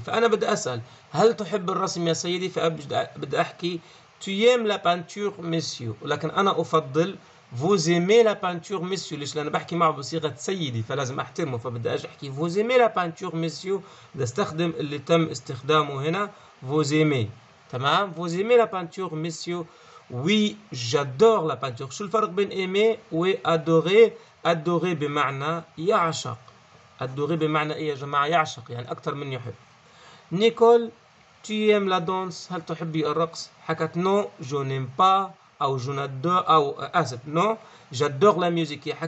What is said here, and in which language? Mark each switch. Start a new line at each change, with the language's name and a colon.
Arabic: فانا بدي اسأل هل تحب الرسم يا سيدي؟ فبدي احكي
French: تويم لا بانتور ميسيو،
Arabic: لكن انا افضل
French: vous aimez la peinture monsieur.
Arabic: ليش؟ لأن بحكي معه بصيغة سيدي، فلازم أحترمه، فبدي أجي أحكي
French: vous aimez la peinture monsieur.
Arabic: بدي أستخدم اللي تم استخدامه هنا
French: vous aimez. تمام، vous aimez la peinture monsieur. oui j'adore la peinture.
Arabic: شو الفرق بين aimer و adorer؟ بمعنى يعشق. adorer بمعنى إيه يا جماعة؟ يعشق، يعني أكثر من يحب. نيكول
French: tu aimes la danse؟
Arabic: هل تحبي الرقص؟ حكت
French: نو جو نيم با،
Arabic: أو
French: جو نادور،
Arabic: أو آسف
French: نو جادور لا ميوزيك.